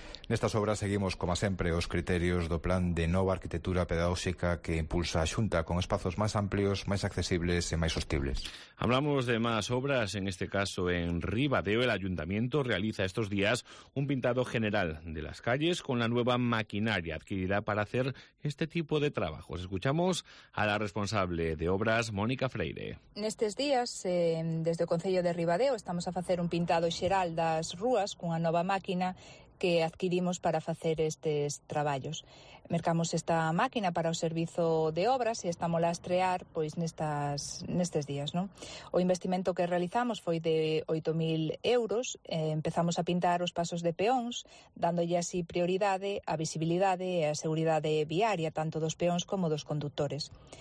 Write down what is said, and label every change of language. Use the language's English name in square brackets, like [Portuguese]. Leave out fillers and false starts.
[Galician] Nestas obras seguimos, como sempre, os criterios do plan de nova arquitectura pedagóxica que impulsa a Xunta con espazos máis amplios, máis accesibles e máis hostibles. [Spanish] Hablamos de más obras, en este caso en Ribadeo. El Ayuntamiento realiza estos días un pintado general de las calles con la nueva maquinaria adquirida para hacer este tipo de trabajos. Escuchamos a la responsable de obras, Mónica Freire. [Galician] Nestes días, desde o Concello de Ribadeo, estamos a facer un pintado xeral das rúas cunha nova máquina que adquirimos para facer estes traballos. Mercamos esta máquina para o servizo de obras e estamos a estrear pois nestes días, non? O investimento que realizamos foi de 8.000 euros. Empezamos a pintar os pasos de peóns, dándolle así prioridade a visibilidade e a seguridade viaria tanto dos peóns como dos conductores.